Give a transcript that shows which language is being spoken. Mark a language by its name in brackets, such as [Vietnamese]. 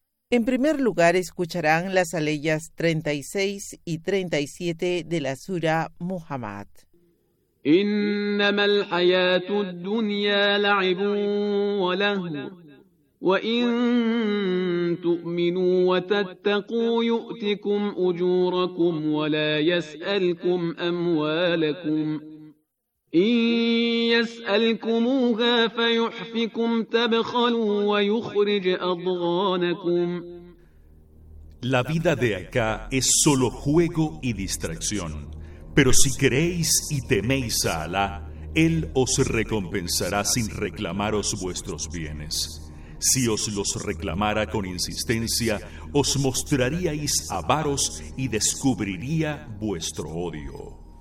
[Spanish] En primer lugar, escucharán las aleyas 36 y 37 de la Sura Muhammad. [Arabic] إنما الحياة الدنيا لعب ولهو وإن تؤمنوا وتتقوا يؤتكم أجوركم ولا يسألكم أموالكم إن يسألكموها فيحفكم تبخلوا ويخرج أضغانكم. [Spanish] La vida de acá es solo juego y distracción, pero si creéis y teméis a Alá, Él os recompensará sin reclamaros vuestros bienes. Si os los reclamara con insistencia, os mostraríais avaros y descubriría vuestro odio.